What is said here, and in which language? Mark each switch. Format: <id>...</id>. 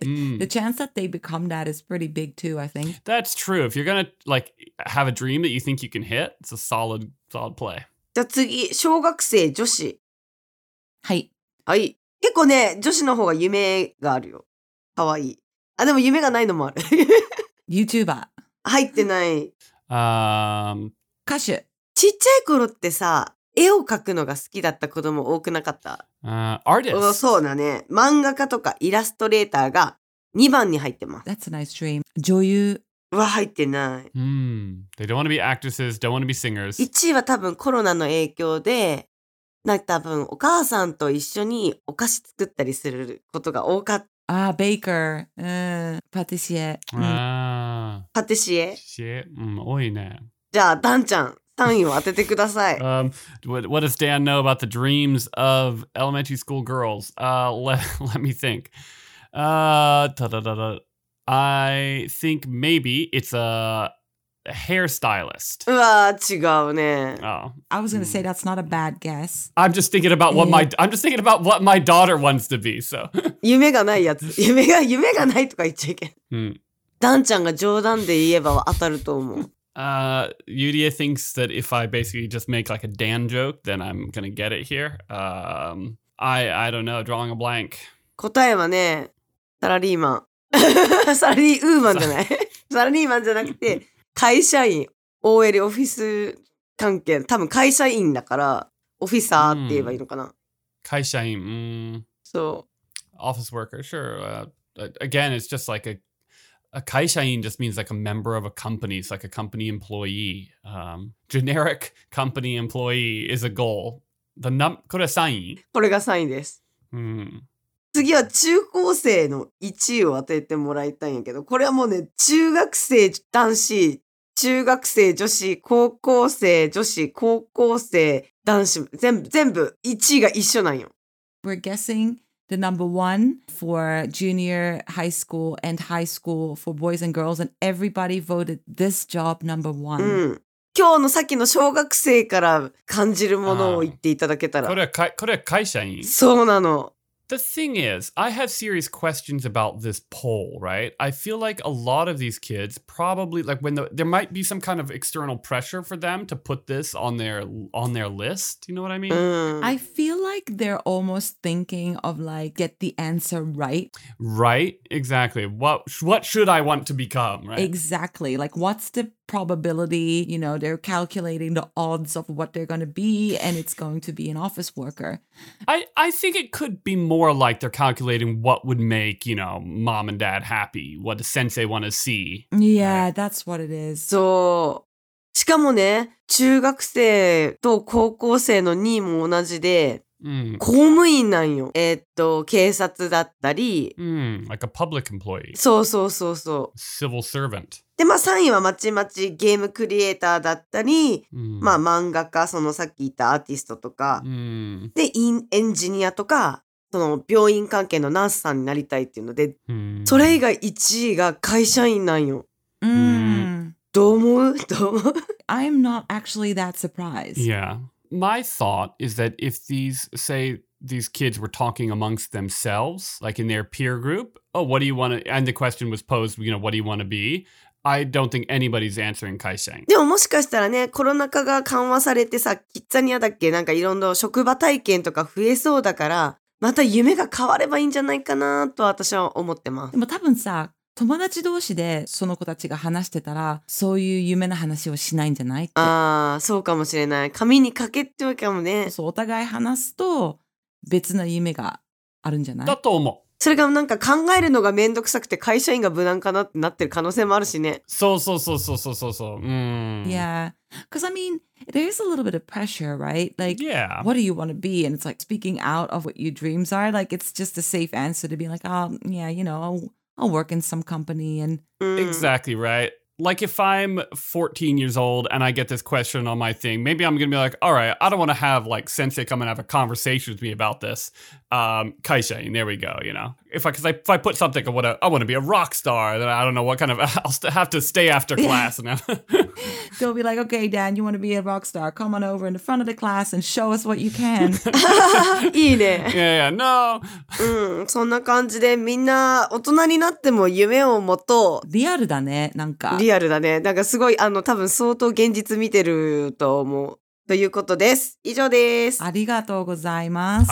<en>The chance that they become that is pretty big too, I think. That's true. If you're gonna like have a dream that you think you can hit, it's a solid, solid play.</en> <ja>じゃあ次、小学生女子。はい。はい。結構ね、女子の方が夢があるよ。かわいい。あ、でも夢がないのもある。 YouTuber。入ってない。歌手。ちっちゃい頃ってさ、絵を描くのが好きだった子供多くなかった。</ja> <en>Artist.</en> <ja>そうだね。漫画家とかイラストレーターが2番に入ってます。</ja> <en>That's a nice dream. 女優</en> <ja>は入ってない。</ja> <en>They don't want to be actresses, don't want to be singers.</en> <ja>1位は多分コロナの影響で、なんか多分お母さんと一緒にお菓子作ったりすることが多かった。ああ、ベイカー。パティシエ。パティシエ。パティシエ。多いね。じゃあ、ダンちゃん。</ja> <en>what does Dan know about the dreams of elementary school girls? Let me think. I think maybe it's a hairstylist. うわ、違うね。 Oh. I was going to say that's not a bad guess. I'm just thinking about what my daughter wants to be. So.</en> <ja>夢がないやつ。夢がないとか言っちゃいけん。ダンちゃんが冗談で言えば当たると思う。</ja> <en>Yuria thinks that if I basically just make like a Dan joke, then I'm gonna get it here. I don't know, drawing a blank.</en> <ja>答えはね、サラリーマン。サラリーウーマンじゃない。サラリーマンじゃなくて、会社員。 OL オフィス関係、多分会社員だからオフィサーって言えばいいのかな、会社員、そう、</ja> <en>office worker, sure. Again, it's just like a 会社員 just means like a member of a company. It's like a company employee. Generic company employee is a goal. The num-</en> <ja>これは3位？これが3位です。次は中高生の1位を当ててもらいたいんやけど、これはもうね、中学生男子、中学生女子、高校生女子、高校生男子、全部1位が一緒なんよ。</ja> <en>We're guessing the number one for junior high school and high school for boys and girls, and everybody voted this job number one.</en> <ja>今日のさっきの小学生から感じるものを言っていただけたら。これは会社員？そうなの。</ja> <en>The thing is, I have serious questions about this poll, right? I feel like a lot of these kids probably, like when the, there might be some kind of external pressure for them to put this on their list. You know what I mean? I feel like they're almost thinking of like, get the answer right. Right, exactly. What should I want to become, right? Exactly. Like, what's the probability, you know, they're calculating the odds of what they're going to be, and it's going to be an office worker. I think it could be more like they're calculating what would make, you know, mom and dad happy, what the sensei want to see. Yeah, right? That's what it is.</en> <ja>So, しかもね、中学生と高校生の2位も同じで、公務員なんよ。警察だったり、</ja> <en>like a public employee.</en> <ja>そうそうそうそう。</ja> <en>Civil servant.</en> <ja>でまあ、3位はまちまちゲームクリエイターだったり、まあ、漫画家、そのさっき言ったアーティストとか、でエンジニアとか、その病院関係のナースさんになりたいっていうので、それ以外1位が会社員なんよ。どう思う？どう思う？</ja> <en>I'm not actually that surprised. Yeah. My thought is that if these, say, these kids were talking amongst themselves, like in their peer group, oh, what do you want to, and the question was posed, you know, what do you want to be? I don't think anybody's answering 会社員。</en> <ja>でももしかしたらね、コロナ禍が緩和されてさ、キッザニアだっけ、なんかいろんな職場体験とか増えそうだから、また夢が変わればいいんじゃないかなと私は思ってます。でも多分さ、友達同士でその子たちが話してたら、そういう夢の話をしないんじゃないって。ああ、そうかもしれない。紙に書けってわけかもね。そう、お互い話すと別の夢があるんじゃない？だと思う。それがなんか考えるのがめんどくさくて会社員が無難かなってなってる可能性もあるしね。そうそうそうそうそうそうそう。</ja> <en>Yeah. Because I mean, there is a little bit of pressure, right? Like, yeah. What do you want to be? And it's like speaking out of what your dreams are. Like, it's just a safe answer to be like, oh, yeah, you know, I'll work in some company. And exactly right. Like if I'm 14 years old and I get this question on my thing, maybe I'm going to be like, all right, I don't want to have like sensei come and have a conversation with me about this. Kaishain, there we go, you know. If I put something, I want to be a rock star, then I don't know what kind of, I'll have to stay after class. And they'll be like, okay, Dan, you want to be a rock star? Come on over in the front of the class and show us what you can.</en> <ja>いいね。</ja> <en>Yeah, yeah, no.</en> <ja>そんな感じでみんな大人になっても夢を持とう。リアルだね、なんか。リアルだね。なんかすごい、多分相当現実見てると思う。ということです。以上です。ありがとうございます。</ja>